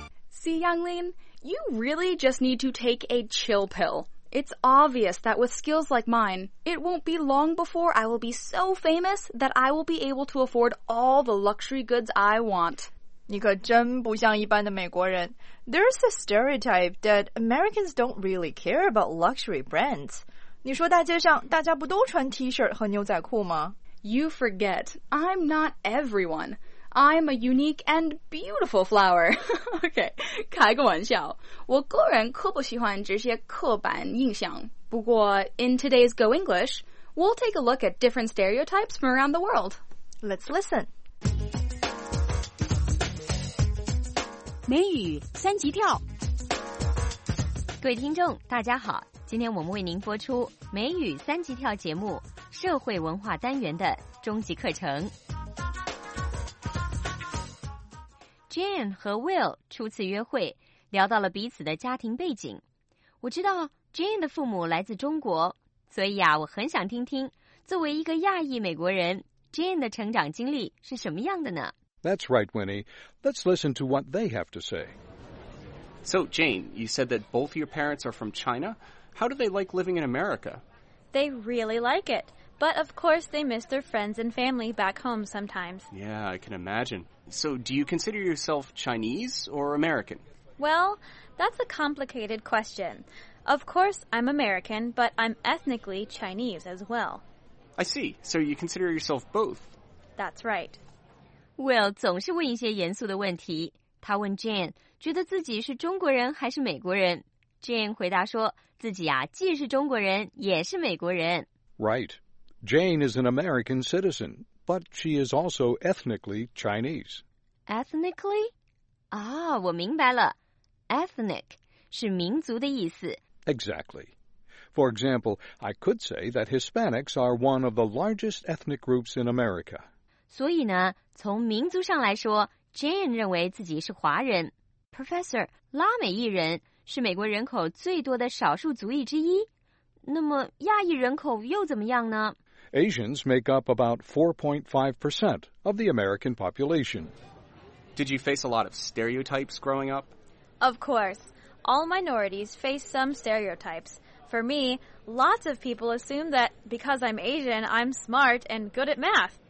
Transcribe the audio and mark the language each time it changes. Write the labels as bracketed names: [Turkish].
[English] See, Yanglin, you really just need to take a chill pill. It's obvious that with skills like mine, it won't be long before I will be so famous that I will be able to afford all the luxury goods I want. [Chinese] 你可真不像一般的美国人。 [English] There's a stereotype that Americans don't really care about luxury brands. [Chinese] 你说大街上大家不都穿 T-shirt 和牛仔裤吗？ [English] You forget, I'm not everyone. I'm a unique and beautiful flower. Okay, [Chinese] 开个玩笑。我个人可不喜欢这些刻板印象。不过 [English] in today's Go English, we'll take a look at different stereotypes from around the world. Let's listen. [Chinese] 美语三级跳，各位听众大家好，今天我们为您播出美语三级跳节目社会文化单元的终极课程。 Jane 和 Will 初次约会，聊到了彼此的家庭背景。我知道 Jane 的父母来自中国，所以啊，我很想听听作为一个亚裔美国人， Jane 的成长经历是什么样的呢？ [English] That's right, Winnie. Let's listen to what they have to say. So, Jane, you said that both your parents are from China. How do they like living in America? They really like it. But, of course, they miss their friends and family back home sometimes. Yeah, I can imagine. So, do you consider yourself Chinese or American? Well, that's a complicated question. Of course, I'm American, but I'm ethnically Chinese as well. I see. So you consider yourself both? That's right. [Chinese] Will 总是问一些严肃的问题，他问 Jane 觉得自己是中国人还是美国人。 Jane 回答说自己啊，既是中国人也是美国人。 [English] Right. Jane is an American citizen, but she is also ethnically Chinese. [Chinese] Ethnically? 啊，我明白了。Ethnic 是民族的意思。 [English] Exactly. For example, I could say that Hispanics are one of the largest ethnic groups in America. [Chinese] 所以呢，从民族上来说 ，Jane 认为自己是华人。 Professor， 拉美裔人是美国人口最多的少数族裔之一。那么亚裔人口又怎么样呢 [English] ？Asians make up about 4.5% of the American population. Did you face a lot of stereotypes growing up? Of course, all minorities face some stereotypes. For me, lots of people assume that because I'm Asian, I'm smart and good at math.